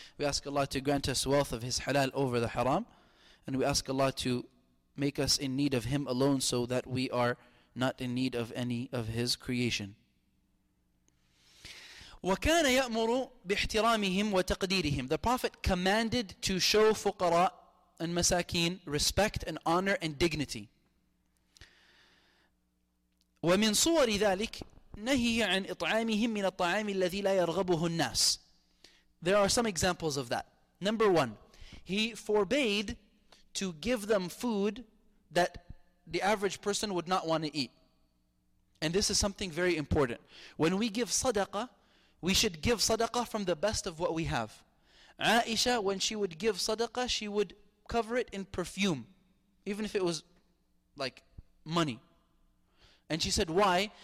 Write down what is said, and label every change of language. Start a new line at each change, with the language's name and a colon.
English: We ask Allah to grant us wealth of His halal over the haram. And we ask Allah to make us in need of Him alone so that we are not in need of any of His creation.
Arabic: وَكَانَ يَأْمُرُ بِاحْتِرَامِهِمْ وَتَقْدِيرِهِمْ
English: The Prophet commanded to show fuqara and masakeen respect and honor and dignity.
Arabic: ومن صور ذلك نهي عن إطعامهم من الطعام الذي لا يرغبه الناس.
English: There are some examples of that. Number one, he forbade to give them food that the average person would not want to eat. And this is something very important. When we give sadaqah, We should give sadaqah from the best of what we have. Aisha, when she would give sadaqah, she would cover it in perfume, even if it was like money. And she said, why?